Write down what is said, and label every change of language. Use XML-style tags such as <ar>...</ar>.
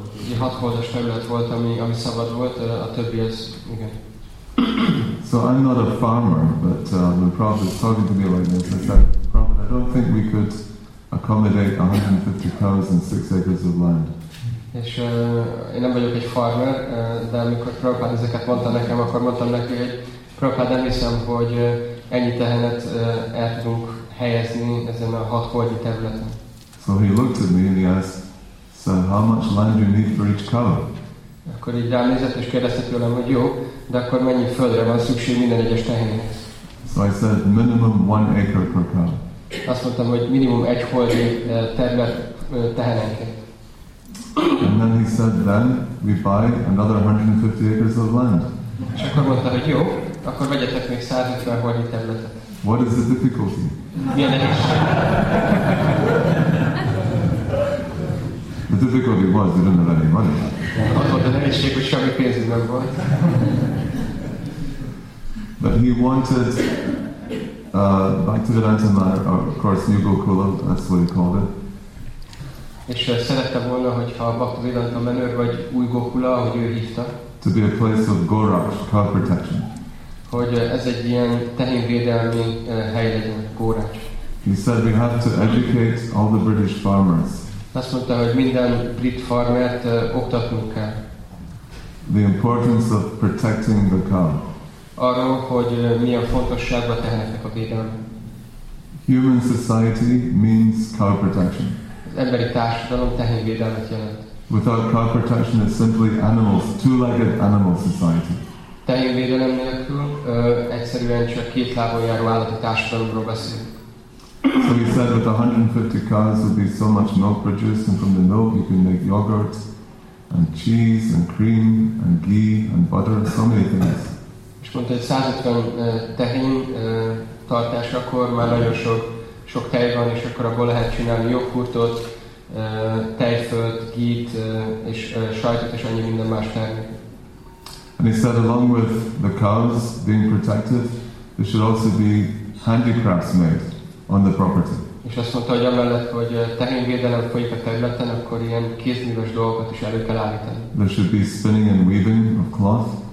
<hu>Egy 6-holdas terület volt, ami szabad terület, a többi az, igen.</hu> <en>So I'm not a farmer, but when Prabhupada is talking to me like this, I said, Prabhupada, I don't think we could accommodate 150 cows and 6 acres of land.</en> <hu>És én nem vagyok egy farmer, de amikor Prabhupada ezeket mondta nekem, akkor mondtam neki, hogy Prabhupada, nem hiszem, hogy ennyi tehenet el tudunk helyezni ezen a 6-holdi területen.</hu> <en>So he looked at me and he asked, so how much land do you need for each cow?</en> <hu>Akkor így rám nézett és kérdezte tőlem, hogy jó, de akkor mennyi földre van szükség minden egyes tehénnek?</hu> <en>So I said, minimum 1 acre per cow.</en> <hu>Azt mondtam, hogy minimum 1 holdi terület tehenenként.</hu> <en>And then he said, then we buy another 150 acres of land.</en> <hu>És akkor mondta, hogy jó, akkor vegyetek még 150 holdi területet.</hu> <en>What is the difficulty? The difficulty was, we didn't have any money. But he wanted Bhaktivedanta Maharaj, of course, New Gokula, that's what he called it.</en> <hu>És szerette volna, hogyha Bhaktivedanta menőr vagy Új Gokula, ahogy ő hívta.</hu> <en>To be a place of Gorakh, cow protection.</en> <hu>Hogy ez egy ilyen tehénvédelmi hely legyen, Gorakh.</hu> <en>He said we have to educate all the British farmers.</en> <hu>Azt mondta, hogy minden brit farmert oktatnunk kell.</hu> <en>The importance of protecting the cow.</en> <hu>Arról, hogy milyen fontosság a teheneknek a védelme.</hu> <en>Human society means cow protection.</en> <hu>Az emberi társadalom tehénvédelmet jelent.</hu> <en>Without cow protection, it's simply animals, two-legged animal society.</en> <hu>Tehénvédelem nélkül egyszerűen csak két lábon járó állati társadalomról beszélünk.</hu> <en>So he said with 150 cows would be so much milk produced, and from the milk you can make yogurt and cheese and cream and ghee and butter, so many things.</en> <hu>És mondta, hogy 150 tehén tartásakor már nagyon sok tej van, és akkor abból lehet csinálni joghurtot, tejfölt, ghee-t, és sajtot, és annyi minden más termék.</hu> <en>And he said along with the cows being protected, there should also be handicrafts made on the property.</en> <hu>És azt mondta, hogy amellett, hogy tehénvédelem folyik a területen, akkor ilyen kézműves dolgokat is elő kell állítani.</hu> <en>There should be spinning and weaving of cloth.</en>